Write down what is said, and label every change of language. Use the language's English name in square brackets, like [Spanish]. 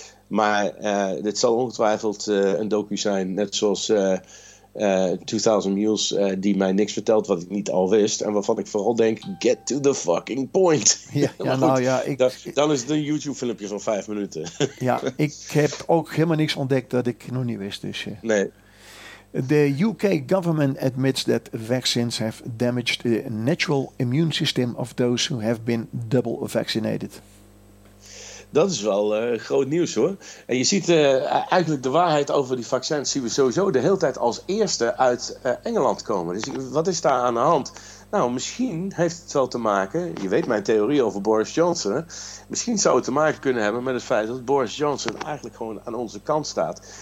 [Dutch] Maar dit zal ongetwijfeld een docu zijn, net zoals... 2000 Mules, die mij niks vertelt wat ik niet al wist. En waarvan ik vooral denk, [English] get to the fucking point. [Dutch] Ja, goed, nou ja, dan is het een YouTube-filmpje van 5 minuten. Ja, ik heb ook helemaal niks ontdekt dat ik nog niet wist. Dus, nee. [English] The UK government admits that vaccines have damaged the natural immune system of those who have been double vaccinated. [Dutch] Dat is wel groot nieuws, hoor. En je ziet eigenlijk de waarheid over die vaccins zien we sowieso de hele tijd als eerste uit Engeland komen. Dus wat is daar aan de hand? Nou, misschien heeft het wel te maken, je weet mijn theorie over Boris Johnson, hè? Misschien zou het te maken kunnen hebben met het feit dat Boris Johnson eigenlijk gewoon aan onze kant staat.